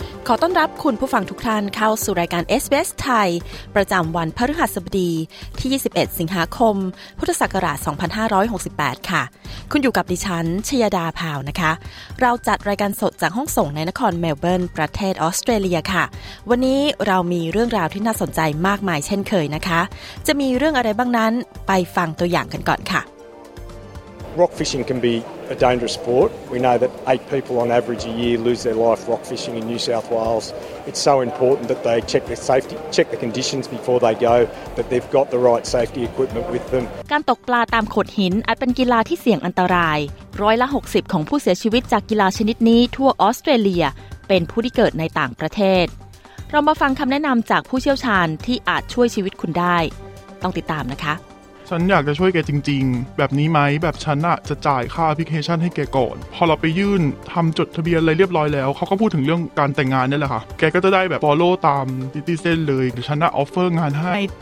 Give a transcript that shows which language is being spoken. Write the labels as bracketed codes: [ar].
[th] ขอต้อนรับคุณผู้ฟังทุกท่านเข้าสู่รายการ SBS ไทยประจำวันพฤหัสบดีที่21สิงหาคมพุทธศักราช2568ค่ะคุณอยู่กับดิฉันชยดาพาวนะคะเราจัดรายการสดจากห้องส่งในนครเมลเบิร์นประเทศออสเตรเลียค่ะวันนี้เรามีเรื่องราวที่น่าสนใจมากมายเช่นเคยนะคะจะมีเรื่องอะไรบ้างนั้นไปฟังตัวอย่างกันก่อนค่ะ [en] Rock fishing can beA dangerous sport. We know that 8 people on average a year lose their life rock fishing in New South Wales. It's so important that they check their safety, check the conditions before they go, that they've got the right safety equipment with them. [th] การตกปลาตามโขดหินอาจเป็นกีฬาที่เสี่ยงอันตรายร้อยละ60ของผู้เสียชีวิตจากกีฬาชนิดนี้ทั่วออสเตรเลียเป็นผู้ที่เกิดในต่างประเทศเรามาฟังคำแนะนำจากผู้เชี่ยวชาญที่อาจช่วยชีวิตคุณได้ต้องติดตามนะคะ ฉันอยากจะช่วยแกจริงๆแบบนี้ไหมแบบฉันอ่ะจะจ่ายค่าแอปพลิเคชันให้แกก่อนพอเราไปยื่นทำจดทะเบียนอะไรเรียบร้อยแล้วเขาก็พูดถึงเรื่องการแต่งงานนี่แหละค่ะแกก็จะได้แบบฟอลโล่ตามดิจิเซนเลยฉันอ่ะออฟเฟอร์งานให้